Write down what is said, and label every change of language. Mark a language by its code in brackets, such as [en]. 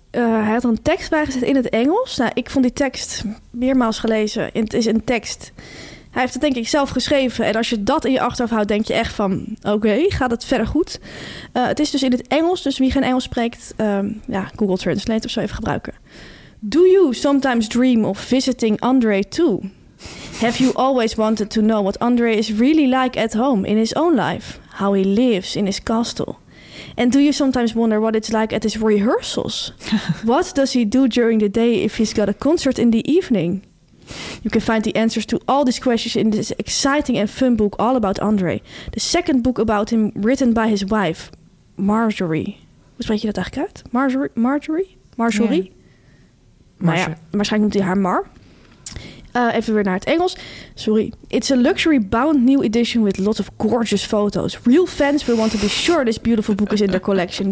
[nl] Hij had er een tekst bijgezet in het Engels. Nou, ik vond die tekst meermaals gelezen. Het is een tekst Hij heeft het denk ik zelf geschreven. En als je dat in je achterhoofd houdt, denk je echt van... Oké, gaat het verder goed? Het is dus in het Engels. Dus wie geen Engels spreekt, Google Translate of zo even gebruiken. [en] Do you sometimes dream of visiting Andre too? Have you always wanted to know what Andre is really like at home in his own life? How he lives in his castle? And do you sometimes wonder what it's like at his rehearsals? What does he do during the day if he's got a concert in the evening? You can find the answers to all these questions in this exciting and fun book all about Andre. The second book about him written by his wife, Marjorie. [nl] Hoe spreek je dat eigenlijk uit? Marjorie? [en] Yeah. [nl] Waarschijnlijk noemt hij haar Mar. Even weer naar het Engels. [en] Sorry. It's a luxury bound new edition with lots of gorgeous photos. Real fans will want to be sure this beautiful book is in their collection.